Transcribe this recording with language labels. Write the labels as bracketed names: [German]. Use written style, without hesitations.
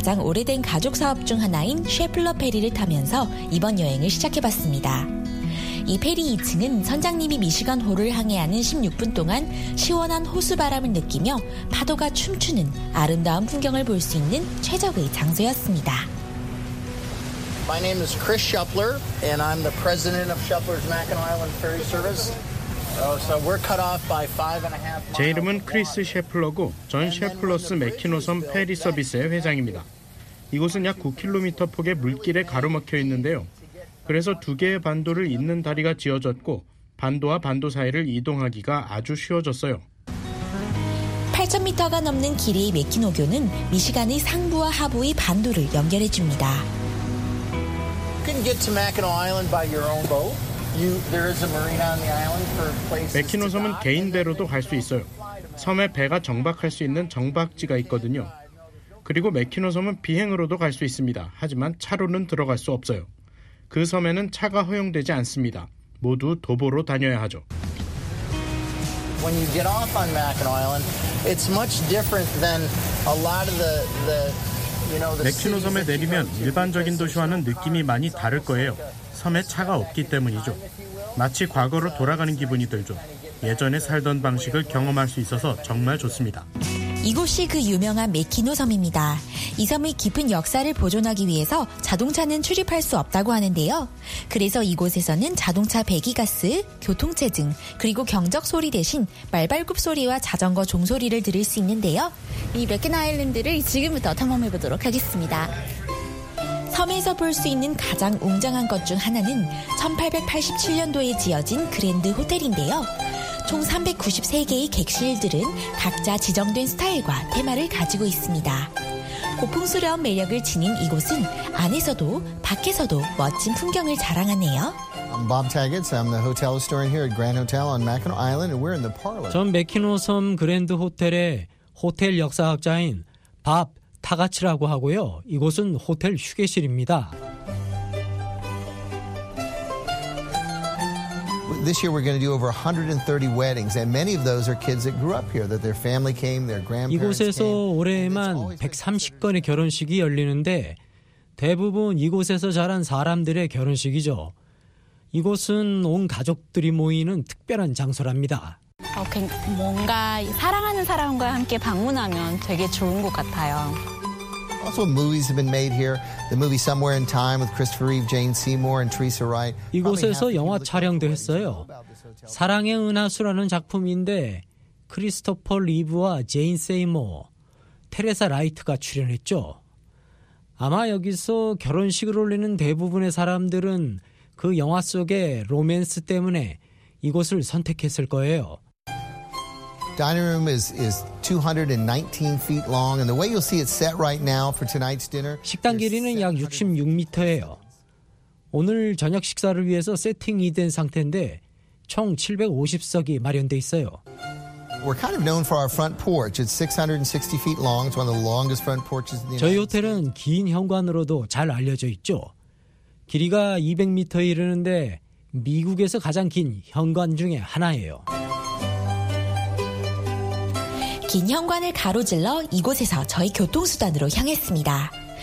[Korean] 가장 오래된 가족 사업 중 하나인 셰플러 페리를 타면서 이번 여행을 시작해봤습니다. 이 페리 2층은 선장님이 미시간 호를 항해하는 16분 동안 시원한 호수 바람을 느끼며 파도가 춤추는 아름다운 풍경을 볼 수 있는 최적의 장소였습니다. [English] My name is Chris Shepler, and I'm the president of Shepler's Mackinac Island Ferry Service. So we're cut off by 5.5 miles. [Korean] 제 이름은 크리스 셰플러고 전 셰플러스 매키노섬 페리 서비스의 회장입니다. 이곳은 약 9km 폭의 물길에 가로막혀 있는데요. 그래서 두 개의 반도를 잇는 다리가 지어졌고 반도와 반도 사이를 이동하기가 아주 쉬워졌어요. 8,000m가 넘는 길이 매키노교는 미시간의 상부와 하부의 반도를 연결해 줍니다. [English] You can get to Mackinac Island by your own boat. There is a marina on the island for places. [Korean] 매키노섬은 개인대로도 갈 수 있어요. 섬에 배가 정박할 수 있는 정박지가 있거든요. 그리고 매키노섬은 비행으로도 갈 수 있습니다. 하지만 차로는 들어갈 수 없어요. 그 섬에는 차가 허용되지 않습니다. 모두 도보로 다녀야 하죠. [English] When you get off on Mackinac Island, it's much different than a lot of the [Korean] 매키노섬에 내리면 일반적인 도시와는 느낌이 많이 다를 거예요. 섬에 차가 없기 때문이죠. 마치 과거로 돌아가는 기분이 들죠. 예전에 살던 방식을 경험할 수 있어서 정말 좋습니다. 이곳이 그 유명한 매키노섬입니다. 이 섬의 깊은 역사를 보존하기 위해서 자동차는 출입할 수 없다고 하는데요. 그래서 이곳에서는 자동차 배기가스, 교통체증, 그리고 경적 소리 대신 말발굽 소리와 자전거 종소리를 들을 수 있는데요. 이 매키노 아일랜드를 지금부터 탐험해보도록 하겠습니다. 섬에서 볼 수 있는 가장 웅장한 것 중 하나는 1887년도에 지어진 그랜드 호텔인데요. 총 393개의 객실들은 각자 지정된 스타일과 테마를 가지고 있습니다. 고풍스러운 매력을 지닌 이곳은 안에서도 밖에서도 멋진 풍경을 자랑하네요. [English] I'm Bob Taggett. I'm the hotel historian here at Grand Hotel on Mackinac Island, and we're in the parlor. [Korean] 전 매키노섬 그랜드 호텔의 호텔 역사학자인 밥 타가치라고 하고요. 이곳은 호텔 휴게실입니다. [English] This year we're going to do over 130 weddings, and many of those are kids that grew up here, that their family came, their grandparents came. [Korean] 이곳에서 올해에만 130건의 결혼식이 열리는데 대부분 이곳에서 자란 사람들의 결혼식이죠. 이곳은 온 가족들이 모이는 특별한 장소랍니다. 뭔가 사랑하는 사람과 함께 방문하면 되게 좋은 것 같아요. [English] Also, movies have been made here. The movie Somewhere in Time with Christopher Reeve, Jane Seymour, and Teresa Wright. [Korean] 이곳에서 영화 촬영도 했어요. 사랑의 은하수라는 작품인데 크리스토퍼 리브와 제인 세이모, 테레사 라이트가 출연했죠. 아마 여기서 결혼식을 올리는 대부분의 사람들은 그 영화 속의 로맨스 때문에 이곳을 선택했을 거예요. [English] Dining room is 219 feet long, and the way you'll see it set right now for tonight's dinner. [Korean] 식당 길이는 약 66m예요. 오늘 저녁 식사를 위해서 세팅이 된 상태인데 총 750석이 마련돼 있어요. [English] We're kind of known for our front porch. It's 660 feet long. It's one of the longest front porches in the United States. [Korean] 저희 호텔은 긴 현관으로도 잘 알려져 있죠. 길이가 200m 이르는데 미국에서 가장 긴 현관 중에 하나예요. 긴 현관을 가로질러 이곳에서 저희 교통수단으로 향했습니다.